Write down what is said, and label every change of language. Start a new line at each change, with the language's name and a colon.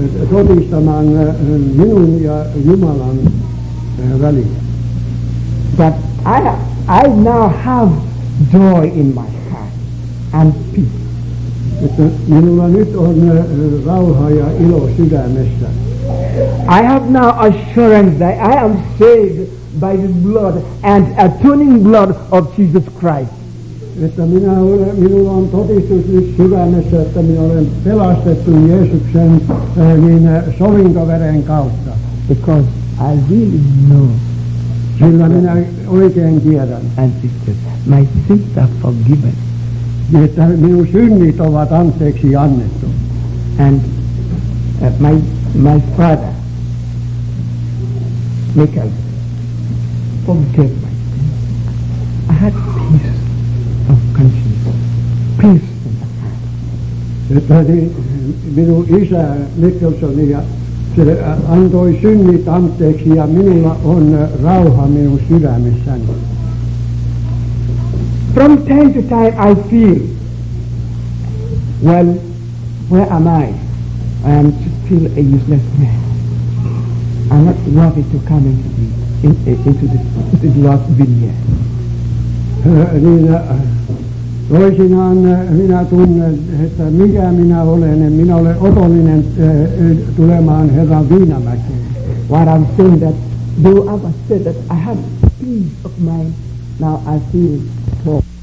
Finnish: Todistamaan minun ja Jumalan väliin.
English: But I now have joy in my heart and peace.
Finnish: Että minulla nyt on rauha ja ilo sydämessä.
English: I have now assurance that I am saved by the blood and atoning blood of Jesus Christ.
Finnish: Että minulla on todistus nyt sydämessä, että minä olen pelastettu Jeesuksen niin sovintoveren kautta.
English: Because I really know.
Finnish: Sillä minä oikein tiedän.
English: And sisters, my sins are forgiven.
Finnish: Että minun synnit ovat anteeksi annettu.
English: And my father, Michael, forgive my sins. I had peace. Peace.
Finnish: Minun isä Mickelson ja se antoi synnit anteeksi ja minulla on rauha minun sydämessäni.
English: From time to time I feel, well, where am I? I am still a useless man. I'm not worthy to come into this Lord's vineyard.
Finnish: Toisinaan minä tunnen, että mikä minä olen, en minä ole otollinen tulemaan Herran viinamäkeen.
English: What I'm saying that, though I was said that I have peace of mind, now I feel poor.